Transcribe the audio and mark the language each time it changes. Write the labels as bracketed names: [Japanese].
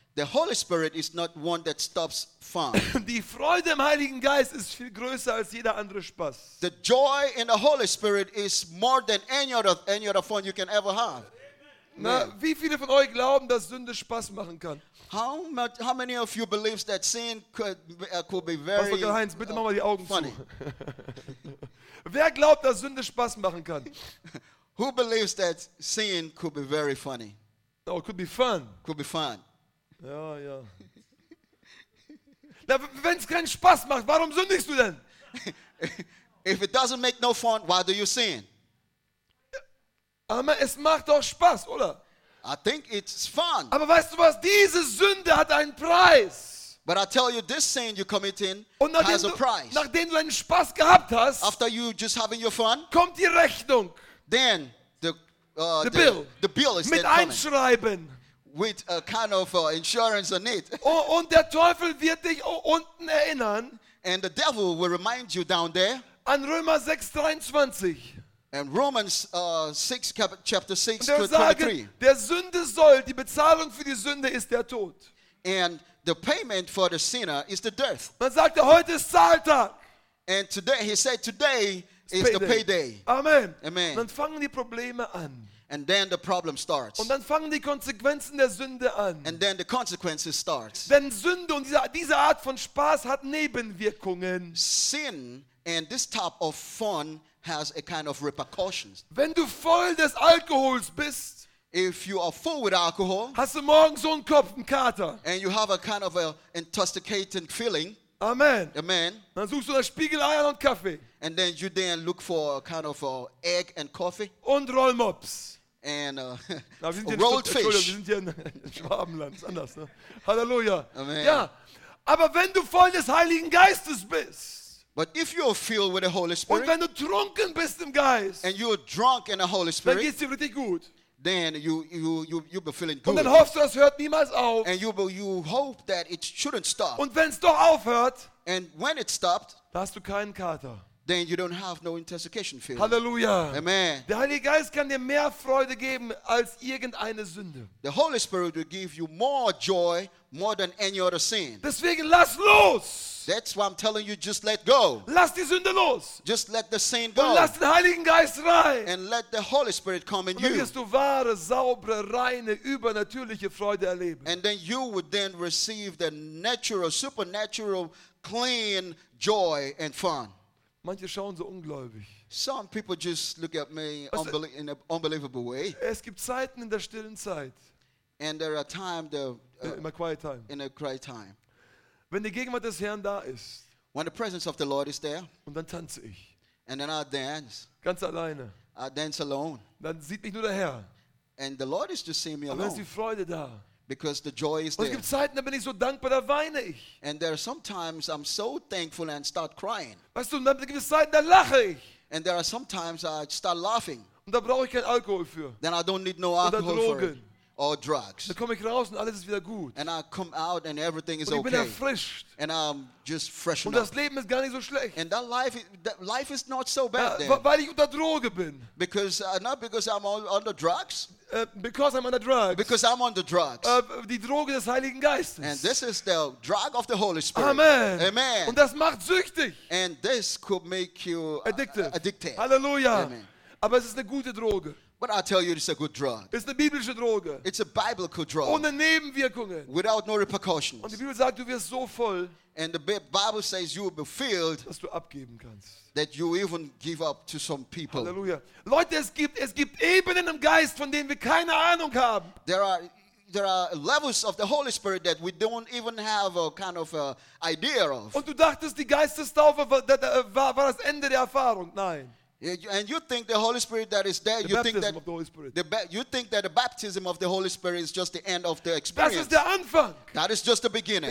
[English] The Holy Spirit is not one that stops fun. [German] Die Freude im Heiligen Geist ist viel größer als jeder andere Spaß. [English] The joy in the Holy Spirit is more than any other fun you can ever have. [German] Na, wie viele von euch glauben, dass Sünde Spaß machen kann? [English] How many of you believe that sin could be very funny? [German] Pastor Heinz, bitte mach mal die Augen funny. Zu. Wer glaubt, dass Sünde Spaß machen kann? [English] Who believes that sin could be very funny? Oh, it could be fun. Could be fun. Ja, ja. [German] Na, wenn es keinen Spaß macht, warum sündigst du denn? [English] If it doesn't make no fun, why do you sin? [German] Aber es macht doch Spaß, oder? [English] I think it's fun. [German] Aber weißt du was? Diese Sünde hat einen Preis. [English] But I tell you, this sin you're committing has a price. [German] Nachdem du einen Spaß gehabt hast, [English] after you just having your fun, [German] kommt die Rechnung. [English] Then the bill is [German] mit einschreiben. [English] With a kind of insurance on it. [German] Und der Teufel wird dich unten erinnern. [English] And the devil will remind you down there. [German] An Römer 6:23. [English] And Romans 6 chapter 6 to 23. [German] Der Sünde soll, die Bezahlung für die Sünde ist der Tod. [English] And the payment for the sinner is the death. [German] Man sagte, heute ist Zahltag. [English] And today he said today is payday. The payday. Amen. Amen. [German] Dann fangen die Probleme an. [English] And then the problem starts. [German] Und dann fangen die Konsequenzen der Sünde an. [English] And then the consequences start. [German] Denn Sünde und diese Art von Spaß hat Nebenwirkungen. [English] Sin and this type of fun has a kind of repercussions. [German] Wenn du voll des Alkohols bist, [English] if you are full with alcohol, [German] hast du morgens so einen Kopf, einen Kater. [English] And you have a kind of a intoxicating feeling. Amen. Amen. [German] Dann suchst du nach Spiegeleiern und Kaffee. [English] And then you then look for a kind of a egg and coffee. [German] Und Rollmops. [English] And rolled fish. [German] Wir sind hier in Schwabenland, anders. Ne? Halleluja. Amen. Ja, aber wenn du voll des Heiligen Geistes bist. [English] But if you are filled with the Holy Spirit, [German] und wenn du trunken bist im Geist, [English] and you are drunk in the Holy Spirit, [German] dann geht's dir richtig gut. [English] Then you'll be feeling good. [German] Und dann hoffst du, es hört niemals auf. [English] And you hope that it shouldn't stop. [German] Und wenn's doch aufhört, [English] and when it stopped, [German] dann hast du keinen Kater. [English] Then you don't have no intoxication feeling. Halleluja. Amen. [German] Der Heilige Geist kann dir mehr Freude geben als irgendeine Sünde. [English] The Holy Spirit will give you more joy, more than any other sin. [German] Deswegen lass los. [English] That's why I'm telling you, just let go. [German] Lass die Sünde los. [English] Just let the sin go. [German] Und lass den Heiligen Geist rein. [English] And let the Holy Spirit come in you. [German] Und dann wirst du wahre, saubere, reine, übernatürliche Freude erleben. [English] And then you would then receive the natural, supernatural, clean joy and fun. [German] Manche schauen so ungläubig. [English] Some people just look at me in an unbelievable way. [German] Es gibt Zeiten in der stillen Zeit. [English] And there are times in a quiet time. [German] Wenn die Gegenwart des Herrn da ist, [English] when the presence of the Lord is there, [German] und dann tanze ich, [English] and then I dance, [German] ganz alleine, [English] I dance alone, [German] dann sieht mich nur der Herr, [English] and the Lord is just seeing me alone, [German] dann ist die Freude da, [English] because the joy is [German] und [English] there. [German] Es gibt Zeiten, da bin ich so dankbar, da weine ich, [English] and there are sometimes I'm so thankful and start crying, [German] weißt du, dann gibt es Zeiten, da lache ich, [English] and there are sometimes I start laughing, [German] und da brauche ich keinen Alkohol für, [English] then I don't need no alcohol for it. Or drugs. [German] Dann komme ich raus und alles ist wieder gut. [English] And I come out and everything is okay. [German] Und ich bin erfrischt. [English] And I'm just fresh [German] enough. Und das Leben ist gar nicht so schlecht. [English] And that life is not so bad then. [German] Weil ich unter Droge bin. [English] Because I'm on the drugs. Because I'm on the drugs. Because I'm on the drugs. [German] Die Droge des Heiligen Geistes. [English] And this is the drug of the Holy Spirit. Amen. Amen. [German] Und das macht süchtig. [English] And this could make you addicted. Halleluja. Amen. [German] Aber es ist eine gute Droge. [English] But I tell you, it's a good drug. [German] Ist eine biblische Droge. [English] It's a biblical drug. [German] Ohne Nebenwirkungen. [English] Without no repercussions. [German] Und die Bibel sagt, du wirst so voll. [English] And the Bible says you will be filled. [German] Dass du abgeben kannst. [English] That you even give up to some people. Halleluja. [German] Leute, es gibt Ebenen im Geist, von denen wir keine Ahnung haben. [English] There are levels of the Holy Spirit that we don't even have a kind of a idea of. [German] Und du dachtest, die Geistestaufe war das Ende der Erfahrung? Nein. [English] And you think the Holy Spirit that is there, you think that the baptism of the Holy Spirit is just the end of the experience. [German] Das ist der Anfang. [English] That is just the beginning.